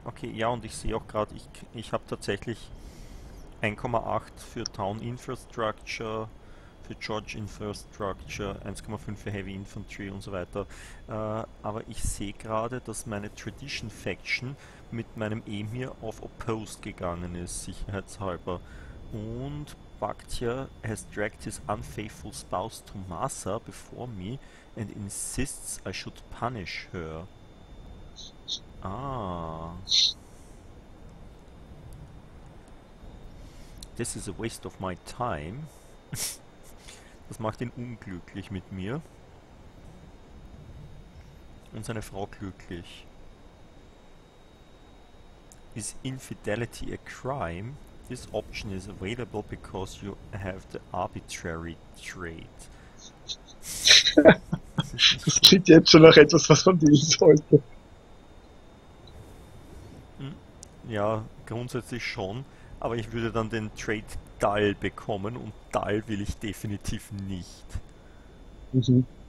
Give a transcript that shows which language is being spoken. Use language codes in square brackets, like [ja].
[de] Okay, ja, und ich sehe auch gerade, ich habe tatsächlich 1,8 für Town Infrastructure, für George Infrastructure, 1,5 für Heavy Infantry und so weiter. Aber ich sehe gerade, dass meine Tradition Faction mit meinem Emir auf Opposed gegangen ist, sicherheitshalber. [en] Und Bactia has dragged his unfaithful spouse to Massa before me and insists I should punish her. Ah. This is a waste of my time. [de] Das macht ihn unglücklich mit mir. Und seine Frau glücklich. [en] Is infidelity a crime? This option is available because you have the arbitrary trait. [de] Das ist nicht Das so. klingt jetzt schon nach etwas, was man wissen sollte. Ja, grundsätzlich schon, aber ich würde dann den Trait Dull bekommen und Dull will ich definitiv nicht.